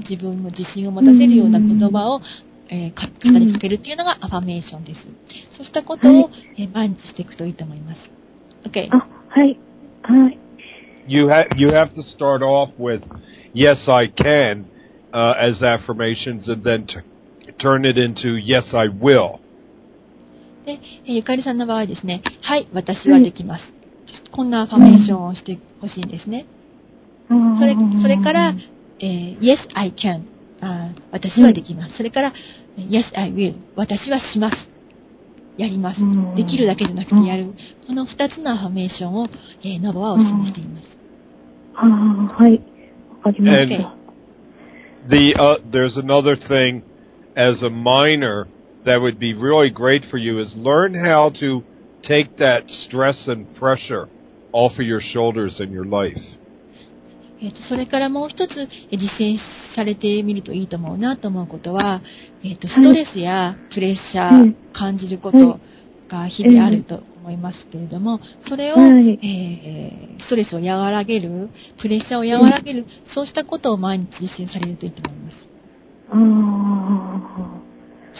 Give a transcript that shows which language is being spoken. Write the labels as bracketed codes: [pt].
[ja] 自分の自信を持たせるような言葉を、語りかけるというのがアファメーションです。そうしたことを、はい、毎日していくといいと思います。 [en] OK。 [ja] あ、はい。はい。 [en] You have to start off with yes I can, as affirmations and then turn it into yes I will. [ja] で、ゆかりさんの場合ですね、はい、私はできます。はい、こんなアファメーションをしてほしいんですね。それから、 [en] yes I can. [ja] 私はできます、うん、それから [en] Yes, I will [ja] 私はしますやります、うん、できるだけじゃなくてやる、うん、この2つのアファメーションを、ノボはお勧めしています、うん、はい分かりました。 [en] There's another thing as a minor that would be really great for you is learn how to take that stress and pressure off of your shoulders in your life [ja] それからもう一つ実践されてみるといいと思うなと思うことは、ストレスやプレッシャー感じることが日々あると思いますけれども、それを、ストレスを和らげる、プレッシャーを和らげる、そうしたことを毎日実践されるといいと思います。